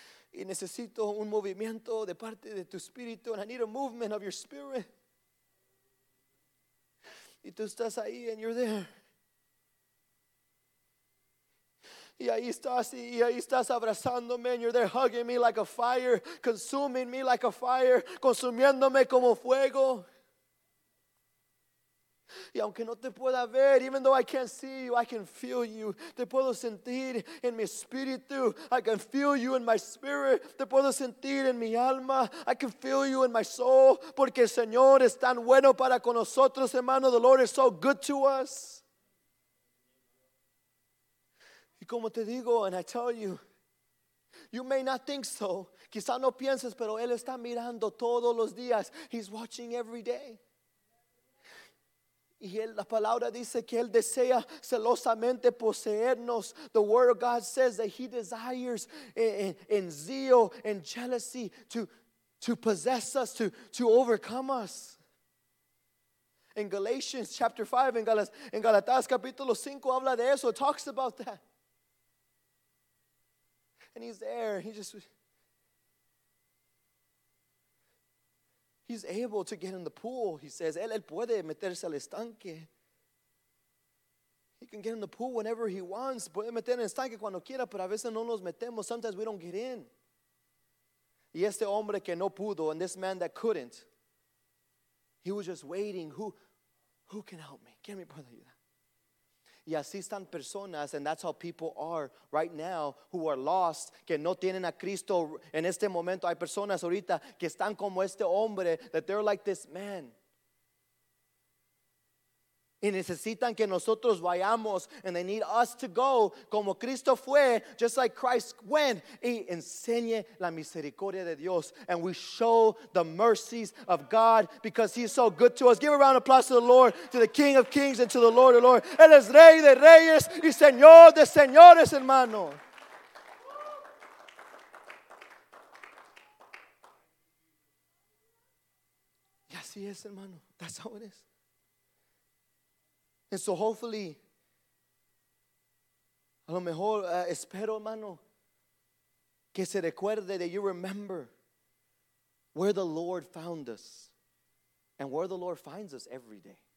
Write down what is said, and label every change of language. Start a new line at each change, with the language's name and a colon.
Spanish: Y necesito un movimiento de parte de tu espíritu.
English: And I need a movement of your spirit.
Spanish: Y tú estás ahí
English: and you're there.
Spanish: Y ahí estás y ahí estás abrazándome.
English: And you're there hugging me like a fire. Consuming me like a fire.
Spanish: Consumiéndome como fuego. Y aunque no te pueda ver,
English: even though I can't see you, I can feel you.
Spanish: Te puedo sentir en mi espíritu.
English: I can feel you in my spirit.
Spanish: Te puedo sentir en mi alma.
English: I can feel you in my soul.
Spanish: Porque el Señor es tan bueno para con nosotros, hermano.
English: The Lord is so good to us.
Spanish: Y como te digo,
English: and I tell you, you may not think so.
Spanish: Quizá no pienses, pero Él está mirando todos los días.
English: He's watching every day.
Spanish: Y la palabra dice que Él desea celosamente poseernos.
English: The word of God says that He desires in zeal and jealousy to possess us, to overcome us. In Galatians chapter 5,
Spanish: en Galatas capítulo 5,
English: habla de eso, talks about that. And He's there, He's able to get in the pool, he says.
Spanish: Él puede meterse al estanque.
English: He can get in the pool whenever he wants.
Spanish: Puede meter en el estanque cuando quiera, pero a veces no nos metemos.
English: Sometimes we don't get in.
Spanish: Y este hombre que no pudo,
English: and this man that couldn't, he was just waiting. Who can help me?
Spanish: ¿Quién me puede ayudar? Y así están personas,
English: and that's how people are right now who are lost,
Spanish: que no tienen a Cristo en este momento. Hay personas ahorita que están como este hombre,
English: that they're like this man.
Spanish: Y necesitan que nosotros vayamos,
English: and they need us to go,
Spanish: como Cristo fue,
English: just like Christ went,
Spanish: y enseñe la misericordia de Dios.
English: And we show the mercies of God, because He's so good to us. Give a round of applause to the Lord, to the King of Kings, and to the Lord of Lords.
Spanish: Él es Rey de Reyes, y Señor de Señores, hermano. Y así es, hermano.
English: That's how it is. And so hopefully,
Spanish: a lo mejor, espero, hermano, que se recuerde,
English: that you remember where the Lord found us and where the Lord finds us every day.